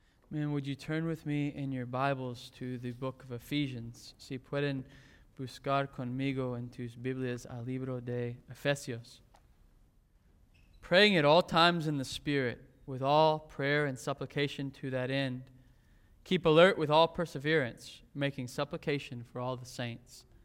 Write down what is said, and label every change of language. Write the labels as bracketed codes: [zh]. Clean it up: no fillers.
[en] Man, would you turn with me in your Bibles to the book of Ephesians? [es] Si pueden buscar conmigo en tus Biblias al libro de Efesios. [en] Praying at all times in the Spirit, with all prayer and supplication to that end. Keep alert with all perseverance, making supplication for all the saints.